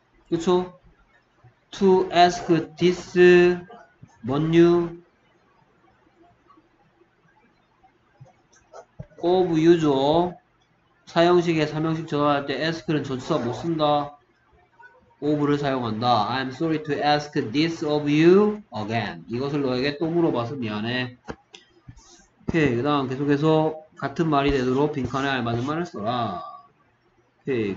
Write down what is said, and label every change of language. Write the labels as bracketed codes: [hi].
[ko] 그쵸? [en] To ask this, when you, of you죠. [ko] 사형식에 3형식 전환할 때 ask는 전치사 못 쓴다. of를 사용한다. [en] I'm sorry to ask this of you again. [ko] 이것을 너에게 또 물어봐서 미안해. 오케이. 그 다음 계속해서 같은 말이 되도록 빈칸에 알맞은 말을 써라. 오케이.